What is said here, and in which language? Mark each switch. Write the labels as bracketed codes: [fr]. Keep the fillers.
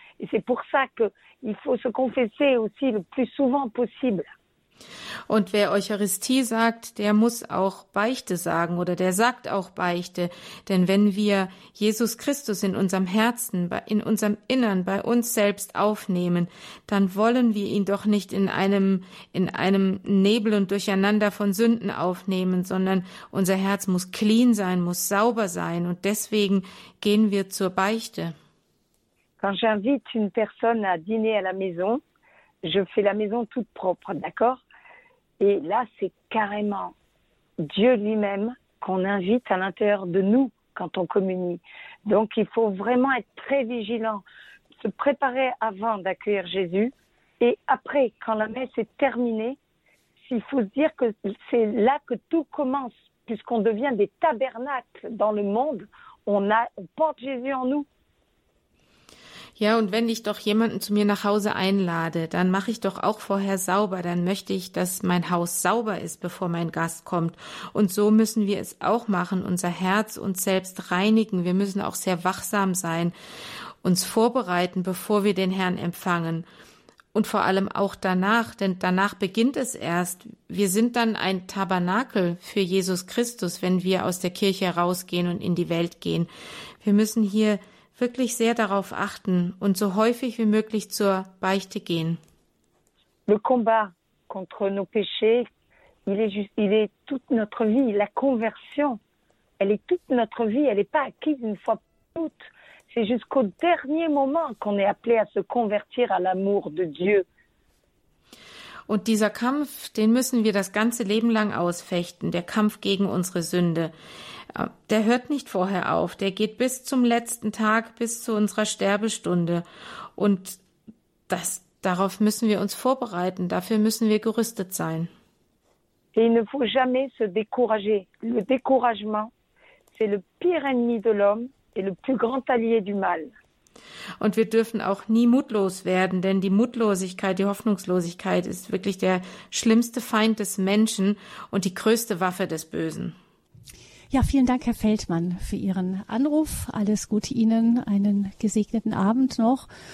[fr] Et c'est pour ça qu'il faut se confesser aussi le plus souvent possible. [de] Und wer Eucharistie sagt, der muss auch Beichte sagen oder der sagt auch Beichte. Denn wenn wir Jesus Christus in unserem Herzen, in unserem Innern, bei uns selbst aufnehmen, dann wollen wir ihn doch nicht in einem, in einem Nebel und Durcheinander von Sünden aufnehmen, sondern unser Herz muss clean sein, muss sauber sein. Und deswegen gehen wir zur Beichte. [fr] Quand j'invite une personne à dîner à la maison, je fais la maison toute propre, d'accord Et là, c'est carrément Dieu lui-même qu'on invite à l'intérieur de nous quand on communie. Donc, il faut vraiment être très vigilant, se préparer avant d'accueillir Jésus. Et après, quand la messe est terminée, il faut se dire que c'est là que tout commence, puisqu'on devient des tabernacles dans le monde. On, a, on porte Jésus en nous. [de] Ja, und wenn ich doch jemanden zu mir nach Hause einlade, dann mache ich doch auch vorher sauber, dann möchte ich, dass mein Haus sauber ist, bevor mein Gast kommt. Und so müssen wir es auch machen, unser Herz uns selbst reinigen. Wir müssen auch sehr wachsam sein, uns vorbereiten, bevor wir den Herrn empfangen. Und vor allem auch danach, denn danach beginnt es erst. Wir sind dann ein Tabernakel für Jesus Christus, wenn wir aus der Kirche rausgehen und in die Welt gehen. Wir müssen hier wirklich sehr darauf achten und so häufig wie möglich zur Beichte gehen. [fr] Le combat contre nos péchés, il est, il est toute notre vie, la conversion. Elle est toute notre vie, elle n'est pas acquise une fois pour toutes. C'est jusqu'au dernier moment qu'on est appelé à se convertir à l'amour de Dieu. [de] Und dieser Kampf, den müssen wir das ganze Leben lang ausfechten, der Kampf gegen unsere Sünde. Der hört nicht vorher auf, der geht bis zum letzten Tag, bis zu unserer Sterbestunde. Und das, darauf müssen wir uns vorbereiten, dafür müssen wir gerüstet sein. [fr] Et il ne faut jamais se décourager. Le découragement, c'est le pire ennemi de l'homme et le plus grand allié du mal. [de] Und wir dürfen auch nie mutlos werden, denn die Mutlosigkeit, die Hoffnungslosigkeit ist wirklich der schlimmste Feind des Menschen und die größte Waffe des Bösen. Ja, vielen Dank, Herr Feldmann, für Ihren Anruf. Alles Gute Ihnen, einen gesegneten Abend noch.